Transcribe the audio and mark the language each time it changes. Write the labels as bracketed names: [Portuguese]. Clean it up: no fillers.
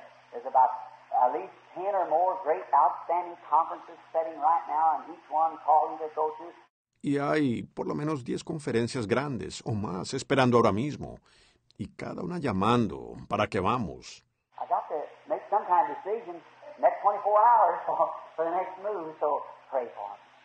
[English] There's about at least 10 or more great outstanding conferences setting right now, and each one calling to go to. [Spanish] Y hay por lo menos 10 conferencias grandes o más esperando ahora mismo, y cada una llamando para que vamos. [English] I got to make some kind of decision next 24 hours for the next move, so pray for me.